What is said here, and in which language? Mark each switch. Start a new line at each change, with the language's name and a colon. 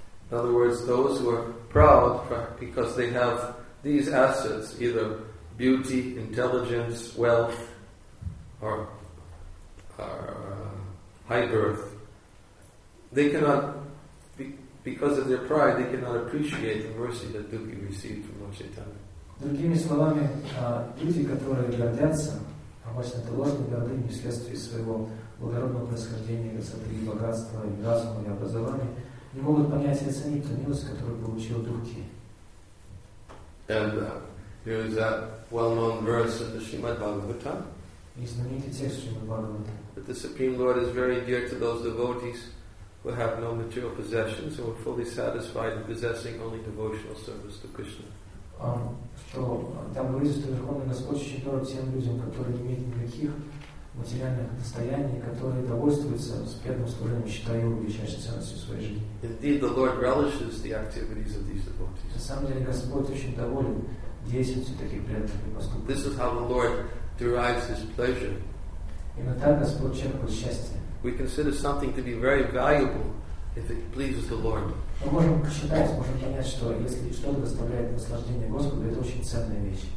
English: In other words, those who are proud because they have these assets, either beauty, intelligence, wealth, or high birth, they cannot, because of their pride, they cannot appreciate the mercy that Dukhi received from Lord Chaitanya.
Russian: Другими словами, люди, которые гордятся, обычно это ложные гордыни вследствие своего благородного происхождения, красоты и богатства, и разума, и образования, не могут понять и оценить ту милость, которую получил Дурки.
English: And there is that well-known verse in the Srimad Bhagavatam.
Russian: И знаменитый текст Srimad Bhagavatam.
English: That the Supreme Lord is very dear to those devotees who have no material possessions and who are fully satisfied in possessing only devotional service to Krishna.
Russian: Что там говорится, что Верховный Господь очень дорог тем людям, которые не имеют никаких материальных достояний, которые довольствуются с преданным служением, считая его величайшей ценностью своей жизни.
English: Indeed, the Lord relishes the activities of these devotees.
Russian: На самом деле, Господь очень доволен деятельностью таких преданных и поступков.
English: This is how the Lord derives His pleasure.
Russian: Именно так Господь черпает счастье.
English: We consider something to be very valuable if it pleases the Lord.
Russian: Мы можем посчитать, можем понять, что если что-то доставляет наслаждение Господу, это очень ценная вещь.